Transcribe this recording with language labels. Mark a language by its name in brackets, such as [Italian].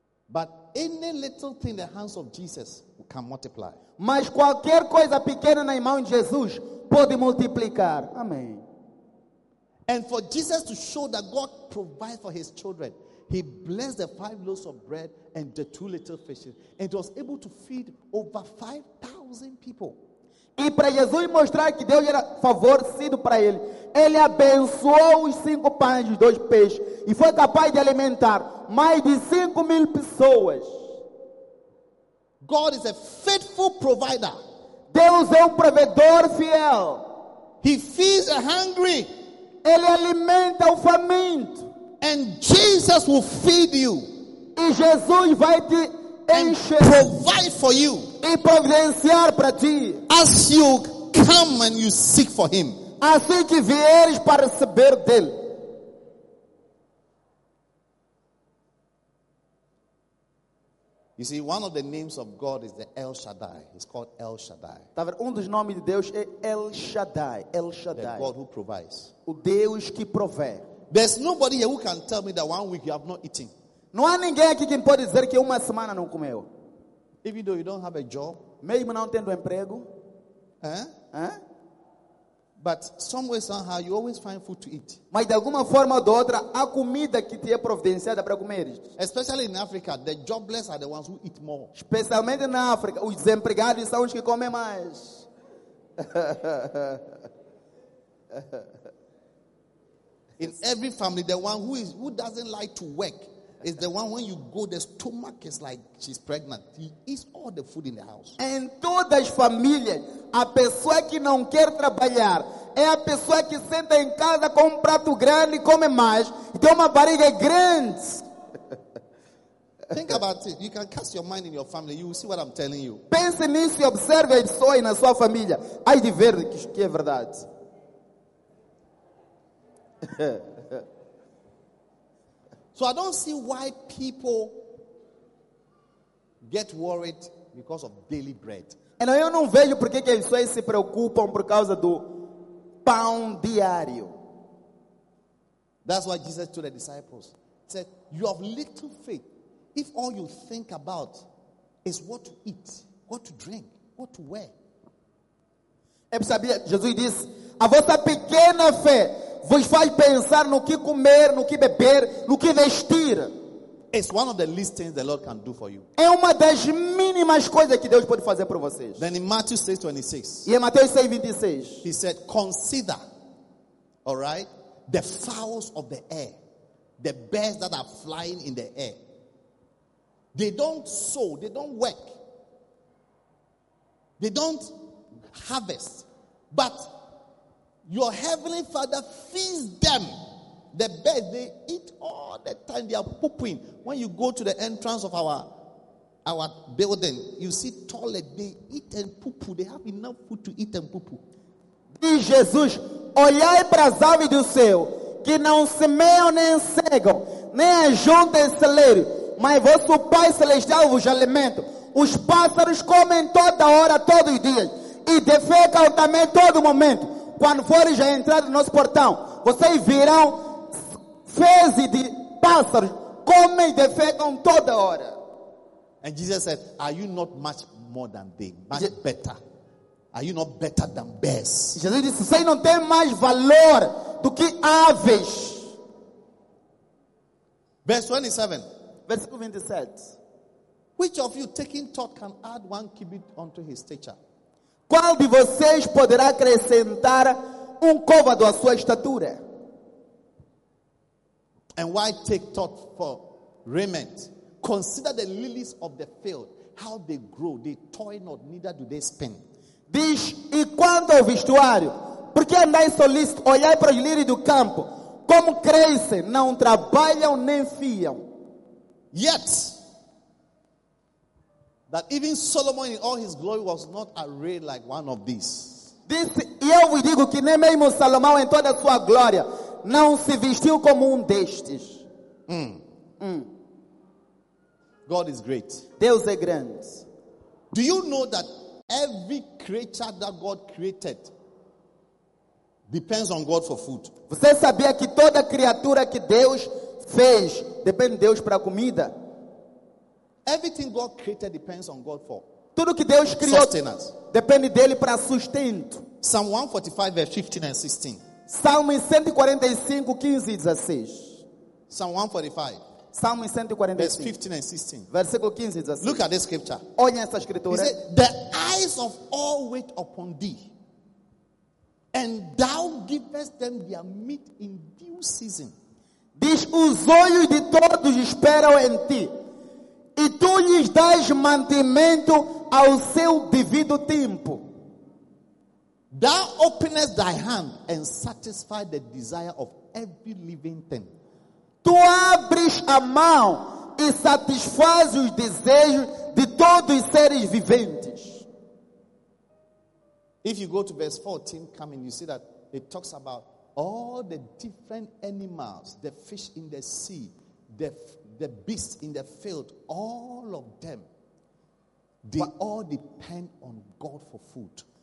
[English] But any little thing in the hands of Jesus can multiply. [Portuguese] Mas qualquer coisa pequena na mão de Jesus pode multiplicar. Amém. [English] And for Jesus to show that God provides for his children, he blessed the 5 loaves of bread and the 2 little fishes, and was able to feed over 5,000 people. [Portuguese] E para Jesus mostrar que Deus era favorecido para ele, ele abençoou os 5 pães e 2 peixes e foi capaz de alimentar mais de 5,000 pessoas. [English] God is a faithful provider. [Portuguese] Deus é provedor fiel. [English] He feeds the hungry. [Portuguese] Ele alimenta o faminto. [English] And Jesus will feed you. [Portuguese] E Jesus vai te encher. [English] And provide for you. [Portuguese] E providenciar para ti. [English] As you come and you seek for him. [Portuguese] Assim que vieres para receber dele. [English] You see, one of the names of God is the El Shaddai. It's called El Shaddai. [Portuguese] Tá vendo? Um dos nomes de Deus é El Shaddai. El Shaddai. [English] The God who provides. [Portuguese] O Deus que provê. [English] There's nobody here who can tell me that 1 week you have not eaten. [Portuguese] Não há ninguém aqui que pode dizer que uma semana não comeu. [English] Even though you don't have a job. [Portuguese] Mesmo não tendo emprego. [English] But somewhere somehow you always find food to eat. [Portuguese] Mas de alguma forma ou de outra há comida que te é providenciada para comer. [English] Especially in Africa, the jobless are the ones who eat more. [Portuguese] Especialmente na África, os desempregados são os que comem mais. [English] In every family, the one who doesn't like to work is the one when you go, the stomach is like she's pregnant. He eats all the food in the house. [Portuguese] Em todas as famílias, a pessoa que não quer trabalhar é a pessoa que senta em casa com prato grande e come mais. Tem uma barriga grande. [English] Think about it. You can cast your mind in your family. You will see what I'm telling you. [Portuguese] Pense nisso e observe a pessoa e na sua família. Aí de ver que é verdade. [English] So I don't see why people get worried because of daily bread. [Portuguese] And eu não vejo por que as pessoas se preocupam por causa do pão diário. [English] That's why Jesus told the disciples, he said, "You have little faith. If all you think about is what to eat, what to drink, what to wear." [Portuguese] Eu sabia, Jesus disse, "A vossa pequena fé vos faz pensar no que comer, no que beber, no que vestir." [English] It's one of the least things the Lord can do for you. [Portuguese] É uma das mínimas coisas que Deus pode fazer por vocês. [English] Then in Matthew 6:26. [Portuguese] E em Mateus 6:26. [English] He said, "Consider, all right, the fowls of the air, the birds that are flying in the air. They don't sow, they don't work. They don't harvest, but your heavenly Father feeds them." The birds, they eat all the time. They are pooping. When you go to the entrance of our building, you see toilet. They eat and poo poo. They have enough food to eat and poo poo. [Portuguese] Diz Jesus: olhai para as aves do céu, que não semeiam nem cegam, nem ajuntam em celeiro, mas vosso Pai Celestial vos alimenta. Os pássaros comem toda hora, todos os dias, e defecam também todo momento. Quando forem já entrar no nosso portão, vocês virão fezes de pássaros, comem e defecam toda hora. [English] And Jesus said, are you not much more than them? Much better. Are you not better than bears? [Portuguese] Jesus disse, vocês não têm mais valor do que aves. [English] Verse 27. Which of you taking thought can add one cubit unto his stature? [Portuguese] Qual de vocês poderá acrescentar um côvado à sua estatura? [English] And why take thought for raiment? Consider the lilies of the field, how they grow, they toil not, neither do they spin. [Portuguese] Diz, e quanto ao vestuário? Por que andais solícito? Olhai para os lírios do campo, como crescem, não trabalham nem fiam. [English] Yet, that even Solomon in all his glory was not arrayed like one of these. [Portuguese] Diz, e eu vos digo que nem mesmo Salomão em toda a sua glória não se vestiu como destes. [English] God is great. [Portuguese] Deus é grande. [English] Do you know that every creature that God created depends on God for food? [Portuguese] Você sabia que toda criatura que Deus fez depende de Deus para comida? [English] Everything God created depends on God for. [Portuguese] Tudo que Deus criou depende dele para sustento. [English] Psalm 145 verse 15 and 16. [Portuguese] Salmo 145, 15 e 16. [English] Psalm 145. Psalm 145. Verse 15 and 16. [Portuguese] Versículo 15 diz assim. [English] Look at this scripture. [Portuguese] Olha essa escritura. [English] He said, the eyes of all wait upon thee, and thou givest them their meat in due season. [Portuguese] Diz, os olhos de todos esperam em ti, e tu lhes dás mantimento ao seu devido tempo. [English] Thou openest thy hand and satisfy the desire of every living thing. [Portuguese] Tu abres a mão e satisfaz os desejos de todos os seres viventes. [English] If you go to verse 14 coming, you see that it talks about all the different animals, the fish in the sea, the beasts in the field, all of them, they all depend on God for food.